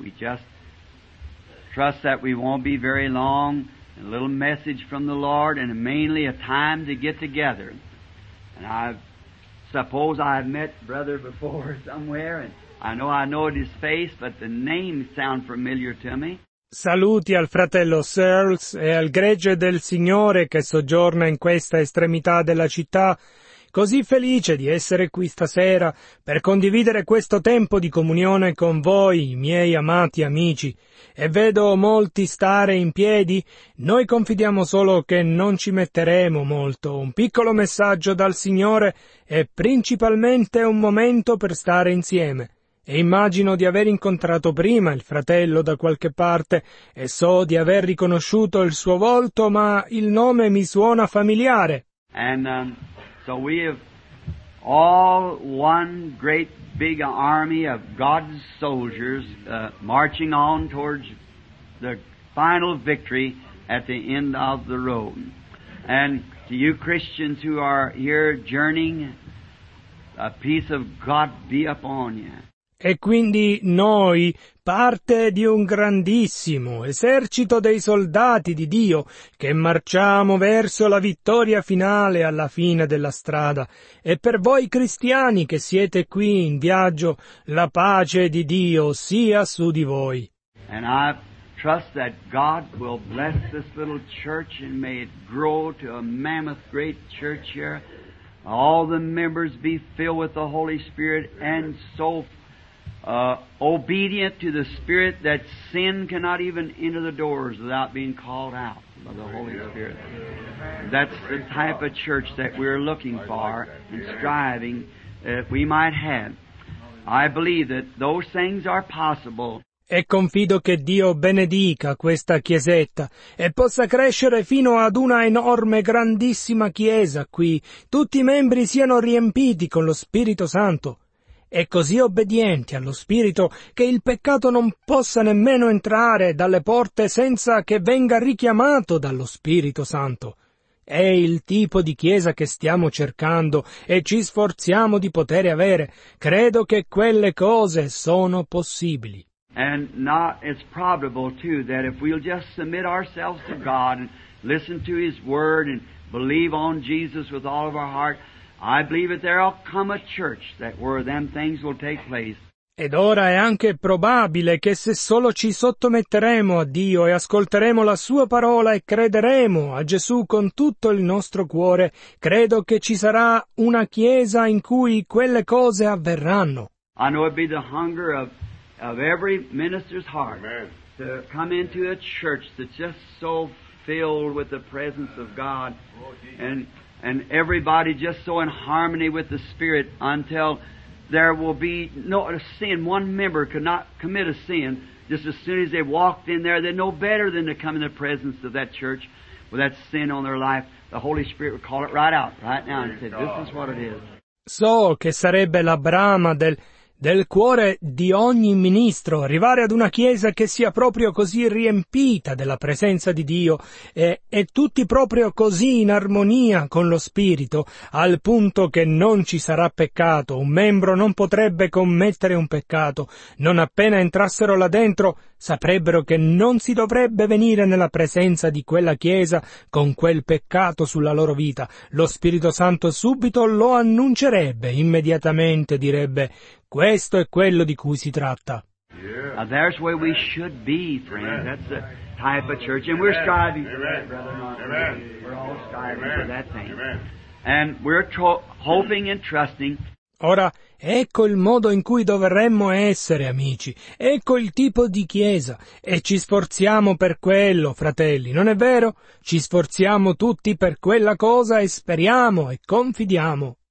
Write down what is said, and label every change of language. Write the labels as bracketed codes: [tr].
[en] We just trust that we won't be very long. A little message from the Lord and mainly a time to get together. And I suppose I've met brother before somewhere, and I know his face, but the name sound familiar to me. [it] Saluti al fratello Searles e al gregge del Signore che soggiorna in questa estremità della città. Così felice di essere qui stasera per condividere questo tempo di comunione con voi, i miei amati amici. E vedo molti stare in piedi. Noi confidiamo solo che non ci metteremo molto. Un piccolo messaggio dal Signore è principalmente un momento per stare insieme. E immagino di aver incontrato prima il fratello da qualche parte e so di aver riconosciuto il suo volto, ma il nome mi suona familiare. [en] So we have all one great big army of God's soldiers marching on towards the final victory at the end of the road. And to you Christians who are here journeying, a peace of God be upon you. [it] E quindi noi, parte di un grandissimo esercito dei soldati di Dio, che marciamo verso la vittoria finale alla fine della strada. E per voi cristiani che siete qui in viaggio, la pace di Dio sia su di voi. [en] And I trust that God will bless this little church and may it grow to a mammoth great church here. All the members be filled with the Holy Spirit and so obedient to the Spirit, that sin cannot even enter the doors without being called out by the Holy Spirit. That's the type of church that we're looking for and striving that we might have. I believe that those things are possible. [it] E confido che Dio benedica questa chiesetta e possa crescere fino ad una enorme, grandissima chiesa qui. Tutti i membri siano riempiti con lo Spirito Santo. E così obbedienti allo Spirito che il peccato non possa nemmeno entrare dalle porte senza che venga richiamato dallo Spirito Santo. È il tipo di chiesa che stiamo cercando e ci sforziamo di poter avere. Credo che quelle cose sono possibili. [en] And now it's probable too that if we'll just submit ourselves to God and listen to His Word and believe on Jesus with all of our heart, I believe that there will come a church that where them things will take place. [it] Ed ora è anche probabile che se solo ci sottometteremo a Dio e ascolteremo la Sua parola e crederemo a Gesù con tutto il nostro cuore, credo che ci sarà una chiesa in cui quelle cose avverranno. [en] I know it'd be the hunger of every minister's heart. Amen. To come into a church that's just so filled with the presence of God. And everybody just so in harmony with the Spirit until there will be no sin. One member could not commit a sin. Just as soon as they walked in there, they'd know better than to come in the presence of that church with that sin on their life. The Holy Spirit would call it right out, right now, and say, this is what it is. [it] So che sarebbe la brama del cuore di ogni ministro, arrivare ad una chiesa che sia proprio così riempita della presenza di Dio e tutti proprio così in armonia con lo Spirito, al punto che non ci sarà peccato, un membro non potrebbe commettere un peccato, non appena entrassero là dentro saprebbero che non si dovrebbe venire nella presenza di quella chiesa con quel peccato sulla loro vita, lo Spirito Santo subito lo annuncerebbe, immediatamente direbbe: questo è quello di cui si tratta. [en] Yeah. There's where we should be, friends. That's the type of church. And we're striving for that, brother. Amen. We're all striving for that thing. And we're hoping and trusting. [it] Ora, ecco il modo in cui dovremmo essere, amici. Ecco il tipo di chiesa. E ci sforziamo per quello, fratelli, non è vero? Ci sforziamo tutti per quella cosa e speriamo e confidiamo.